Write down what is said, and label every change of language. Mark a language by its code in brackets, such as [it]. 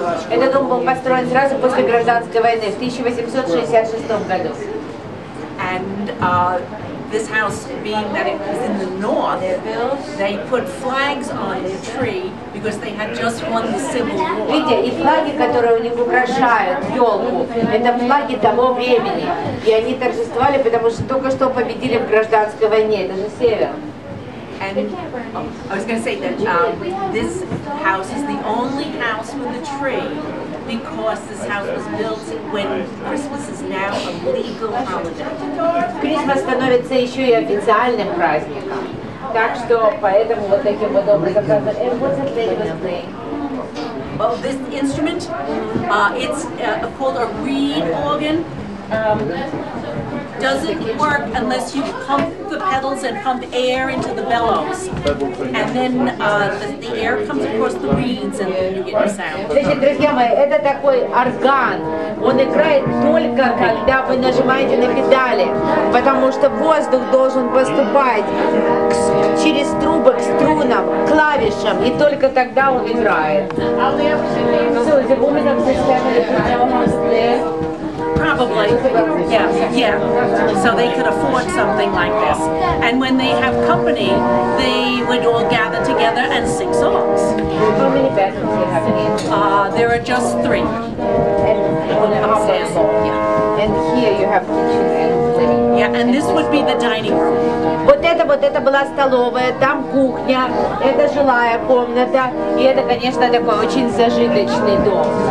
[ru] Этот дом был построен сразу после гражданской войны в 1866 году. [en] And this house, being that it was in the north, they put flags on the tree because they had just won the Civil War. [ru] Видите, и флаги, которые у них украшают елку, это флаги того времени, и они торжествовали, потому что только что победили в гражданской войне, это же север. [en] And I was going to say that this house is the only house with a tree because this house was built when Christmas is now a legal holiday. [ru] Christmas становится еще и официальным праздником. Так что поэтому вот таким вот образом. [en] And what's the name of the thing? Well, this instrument, it's called a reed organ. Doesn't work unless you pump the pedals and pump air into the bellows. And then the air comes across the reeds and then you get the sound. [ru] Значит, друзья мои, это такой орган. Он играет только когда вы нажимаете на педали, потому что воздух должен поступать через трубы к струнам, к клавишам, и только тогда он играет. [en] So, the woman upstairs, probably. Yeah, yeah. So they could afford something like this. And when they have company, they would all gather together and sing songs. How many bedrooms do you have in here? There are just three. Upstairs. Yeah. And here you have kitchen and living. Yeah, and this would be the dining room. [ru] Вот это была столовая, там кухня, это жилая комната, и это, конечно, такой очень зажиточный дом.